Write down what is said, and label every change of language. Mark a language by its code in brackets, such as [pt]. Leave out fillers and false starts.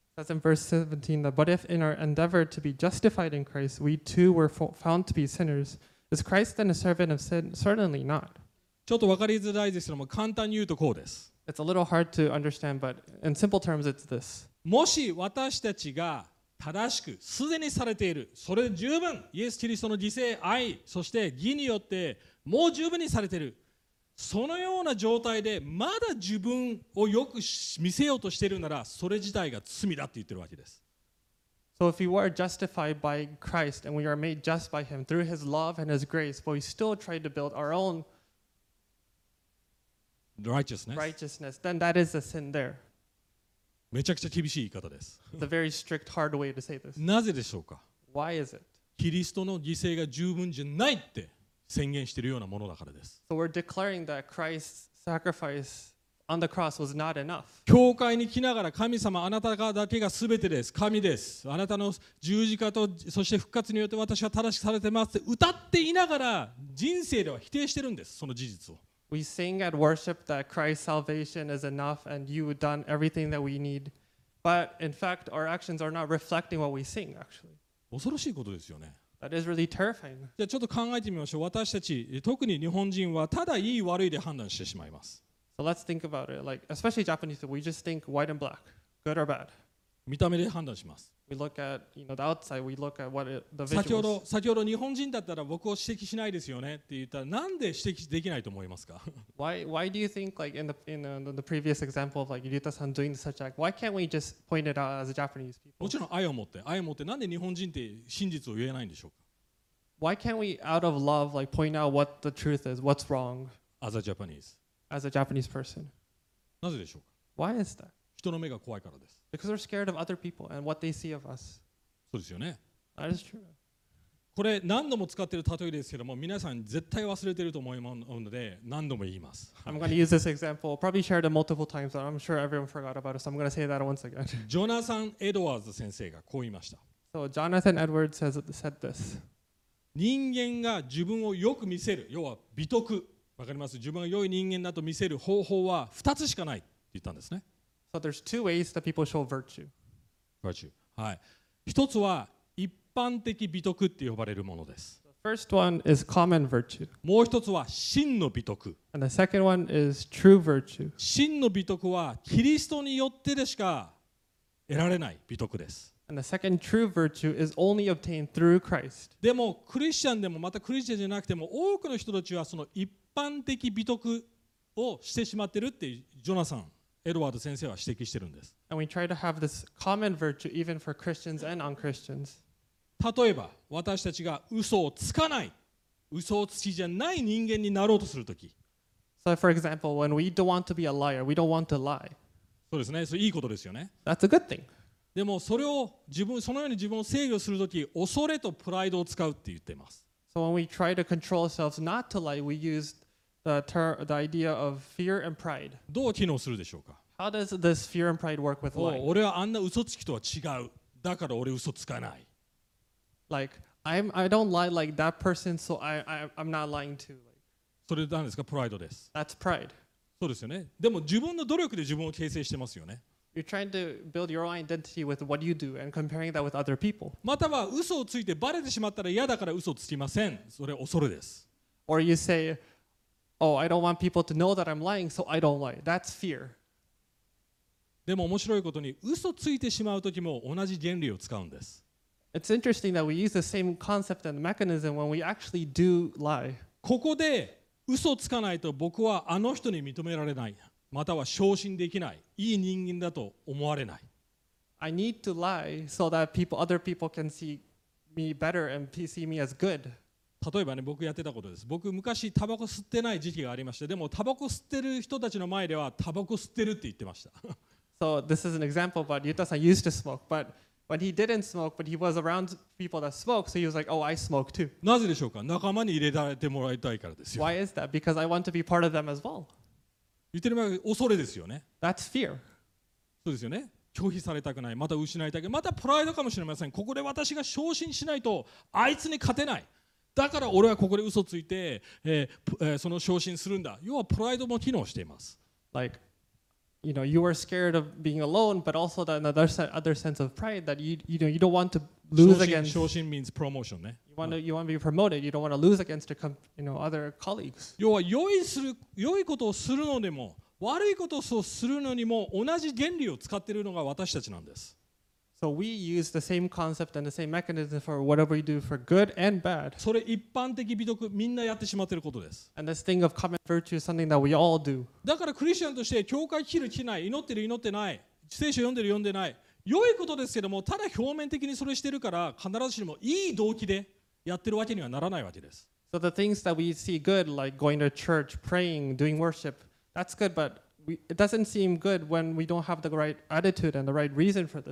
[en] It says in verse 17 that but if in our endeavor to be justified in Christ we too were found to be sinners, is Christ then a servant of sin? Certainly not. [ja] ちょっとわかりづらいですけども簡単に言うとこうです。 [en] It's a little hard to understand, but in simple terms, it's this. [ja] もし私たちが正しくすでにされている、それで十分、イエス・キリストの犠牲、愛、そして義によってもう十分にされている、そのような状態でまだ自分をよく見せようとしているなら、それ自体が罪だって言ってるわけです。 [en] So So if we were justified by Christ and we are made just by him through his love and his grace, but we still try to build our own righteousness, then that is a sin there. [ja] めちゃくちゃ厳しい言い方です。 [en] It's a very strict, hard way to say this. [ja] なぜでしょうか? [en] Why is it? [ja] キリストの犠牲が十分じゃないって宣言しているようなものだからです。 [en] So we're declaring that Christ's sacrifice on the cross was not enough. [ja] 教会に来ながら神様あなただけが全てです。神です。あなたの十字架とそして復活によって私は正しくされてますって歌っていながら人生では否定してるんです。その事実を。 [en] We sing at worship that Christ's salvation is enough and you've done everything that we need. But in fact, our actions are not reflecting what we sing, actually. [ja] 恐ろしいことですよね。 [en] That is really terrifying. [ja] じゃあちょっと考えてみましょう。私たち、特に日本人はただいい悪いで判断してしまいます。 [en] So let's think about it. Like, especially Japanese, we just think white and black, good or bad. [ja] 見た目で判断します。 [en] We look at, you know, the outside, we look at what it, the visuals. [ja] 先ほど日本人だったら僕を指摘しないですよねって言ったら、なんで指摘できないと思いますか? [en] why do you think, like, in the previous example of, like, Yuta-san doing such act, why can't we just point it out as a Japanese people? [ja] もちろん愛を持って、なんで日本人って真実を言えないんでしょうか? [en] Why can't we, out of love, like, point out what the truth is, what's wrong? As a Japanese person. [ja] なぜでしょうか? [en] Why is that? [ja] 人の目が怖いからです。 [en] Because they're scared of other people and what they see of us. [ja] そうですよね。 [en] That is true. [ja] これ何度も使っている例えですけども、皆さん絶対忘れていると思うので、何度も言います。 [en] I'm going to use this example. Probably shared it multiple times, but I'm sure everyone forgot about it, so I'm going to say that once again. [ja] ジョナサン・エドワーズ先生がこう言いました。 [en] So Jonathan Edwards has said this. [ja] 人間が自分をよく見せる、要は美徳、わかります?自分が良い人間だと見せる方法は2つしかないって言ったんですね。 [en] So there's two ways that people show virtue. Virtue. はい。 [ja] 一つは一般的美徳って呼ばれるものです。 [en] The first one is common virtue. [ja] もう一つは真の美徳。 [en] And the second one is true virtue. [ja] 真の美徳はキリストによってでしか得られない美徳です。 [en] And the second true virtue is only obtained through Christ. [ja] でもクリスチャンでもまたクリスチャンじゃなくても多くの人たちはその一般的美徳をしてしまってるってジョナサン。エドワード先生は指摘してるんです。 [en] And we try to have this common virtue even for Christians and non-Christians. [ja] 例えば、私たちが嘘をつかない、嘘をつきじゃない人間になろうとするとき。 [en] So for example, when we don't want to be a liar, we don't want to lie. [ja] そうですね。それいいことですよね。 [en] That's a good thing. [ja] でもそれを自分、そのように自分を制御するとき、恐れとプライドを使うって言ってます。 [en] So when we try to control ourselves not to lie, we use the idea of fear and pride. [ja] どう機能するでしょうか? [en] How does this fear and pride work with lying? [ja] 俺はあんな嘘つきとは違う。だから俺嘘つかない。 [en] Like, I don't lie like that person, so I'm not lying too. [ja] それなんですか?プライドです。 [en] That's pride. [ja] そうですよね。でも自分の努力で自分を形成してますよね。 [en] You're trying to build your own identity with what you do and comparing that with other people. [ja] または嘘をついてバレてしまったら嫌だから嘘つきません。それ恐れです。 [en] Or you say,Oh, I don't want people to know that I'm lying, so I don't lie. That's fear. [ja] でも面白いことに、嘘ついてしまうときも同じ原理を使うんです。 [en] It's interesting that we use the same concept and mechanism when we actually do lie. [ja] ここで嘘つかないと僕はあの人に認められない、または昇進できない、いい人間だと思われない。 [en] I need to lie so that other people can see me better and see me as good. [ja] 例えばね、僕やってたことです。僕昔タバコ吸ってない時期がありまして、でもタバコ吸ってる人たちの前ではタバコ吸ってるって言ってました。 [en] So this is an example, but Yuta-san used to smoke, but when he didn't smoke, but he was around people that smoke, so he was like, oh, I smoke too. [ja] なぜでしょうか。仲間に入れられてもらいたいからですよ。 [en] Why is that? Because I want to be part of them as well. [ja] 言ってる前は恐れですよね。 [en] That's fear. [ja] そうですよね。拒否されたくない、また失いたくない、またプライドかもしれません。ここで私が昇進しないとあいつに勝てない。だから俺はここで嘘ついて、その昇進するんだ。要はプライドも機能しています。 [en] Like, you know, you are scared of being alone, but also that another sense of pride that you don't want to lose against. 昇進 means promotion, ね。 You want to be promoted. You don't want to lose against other colleagues. [ja] 要は良いことをするのでも、悪いことをするのにも同じ原理を使っているのが私たちなんです。 [en] So we use the same concept and the same mechanism for whatever we do for good and bad. [ja] それ一般的美徳みんなやってしまってることです。 [en] And this thing of common virtue is something that we all do. [ja] だからクリスチャンとして教会来る来ない、祈ってる祈ってない、聖書読んでる読んでない、良いことですけども、ただ表面的にそれしてるから、必ずしもいい動機でやってるわけにはならないわけです。 [en] So the things that we see good, like going to church, praying, doing worship, that's good, but it doesn't seem good when we don't have the right attitude and the right reason for this.